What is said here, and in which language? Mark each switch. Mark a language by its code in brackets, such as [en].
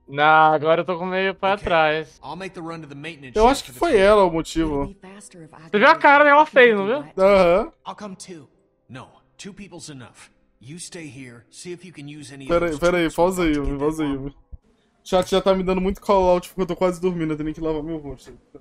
[pt] Nah, agora eu tô com meio pra trás. [en] I'll make the run to the maintenance. [pt] Eu acho que foi ela o motivo. Você viu a cara dela feia, não viu? [en] I'll come too. No, two people's enough. You stay here, see if you can use any. [pt] Peraí, pausa aí, Yuumi. Chat já tá me dando muito call out, porque eu tô quase dormindo, eu tenho que lavar meu rosto.